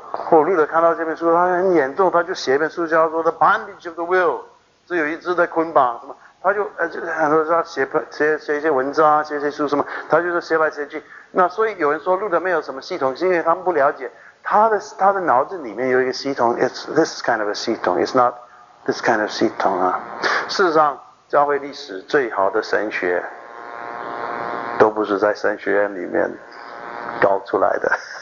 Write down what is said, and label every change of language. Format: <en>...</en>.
<zh>哦，路德看到这本书，他很严重，他就写一本书叫做《The Bondage of the Will》，自由意志的捆绑什么。他就很多时候写一些文章，写一些书什么，他就是写来写去。那所以有人说路德没有什么系统，是因为他们不了解他的脑子里面有一个系统。</zh> <en>It's this kind of a 系统 ，It's not this kind of 系统啊。</en> <zh>事实上，教会历史最好的神学都不是在神学院里面搞出来的。</zh>